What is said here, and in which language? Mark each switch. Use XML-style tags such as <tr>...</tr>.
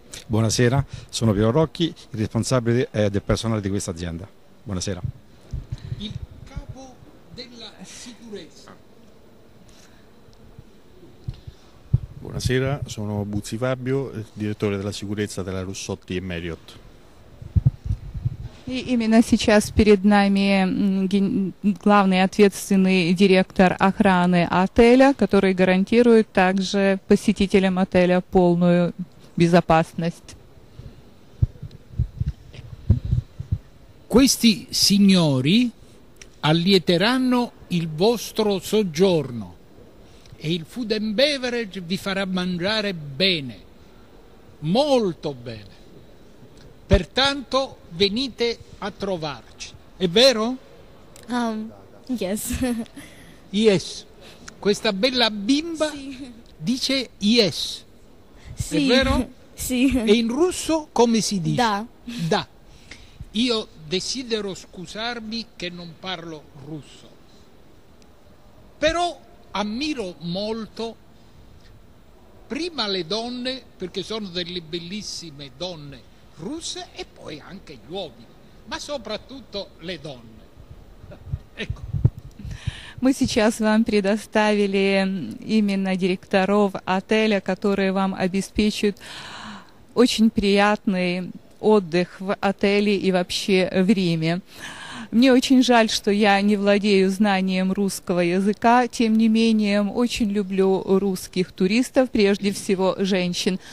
<it>Buonasera, sono Piero Rocchi, il responsabile del personale di questa azienda. Buonasera. Il capo della sicurezza. Buonasera, sono Buzzi Fabio, direttore della sicurezza della Russotti & Marriott.</it> <ru>И именно сейчас перед нами главный ответственный директор охраны отеля, который гарантирует также посетителям отеля полную безопасность.</ru> <it>Questi signori allieteranno il vostro soggiorno e il</it> <en>food and beverage</en> <it>vi farà mangiare bene, molto bene. Pertanto venite a trovarci. È vero?</it> <en>Yes. Yes.</en> <it>Questa bella bimba dice</it> <en>yes.</en> <it>Sì. È vero? Sì. E in russo come si dice?</it> <ru>Da. Da.</ru> <it>Io desidero scusarmi che non parlo russo. Però ammiro molto prima le donne, perché sono delle bellissime donne russe e poi anche gli uomini, ma soprattutto le donne. Ecco.</it> <ru>Мы сейчас вам предоставили именно директоров отеля, которые вам обеспечат очень приятный отдых в отеле и вообще в Риме. Мне очень жаль, что я не владею знанием русского языка, тем не менее, очень люблю русских туристов, прежде всего женщин.</ru>